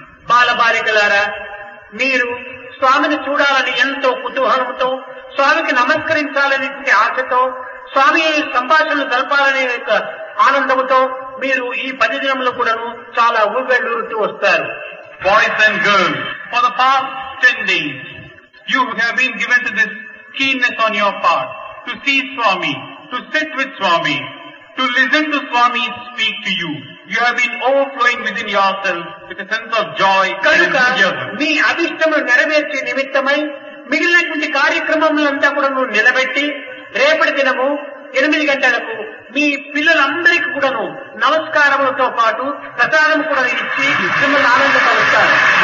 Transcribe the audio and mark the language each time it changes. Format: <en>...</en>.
<te>బాలబాలికలారా, మీరు స్వామిని చూడాలని ఎంతో కుతూహలంతో, స్వామికి నమస్కరించాలనే ఆశతో, స్వామి సంభాషణలు జరపాలనే యొక్క ఆనందంతో మీరు ఈ పది దినములు కూడా చాలా ఊపెళ్ళూరుతూ వస్తారు.</te> <en>Boys and girls, for the past 10 days you have been given to this keenness on your part to see Swami, to sit with Swami, to listen to Swami speak to you. You have been overflowing within yourself with a sense of joy and enthusiasm.</en> <te>మీ అభిష్టము నెరవేర్చే నిమిత్తమై మిగిలినటువంటి కార్యక్రమములంతా కూడా నువ్వు నిలబెట్టి రేపటి దినము 8 గంటలకు మీ పిల్లలందరికీ కూడాను నమస్కారములతో పాటు ప్రసాదం కూడా ఇచ్చి మిమ్మల్ని ఆనందపరుస్తారు.</te>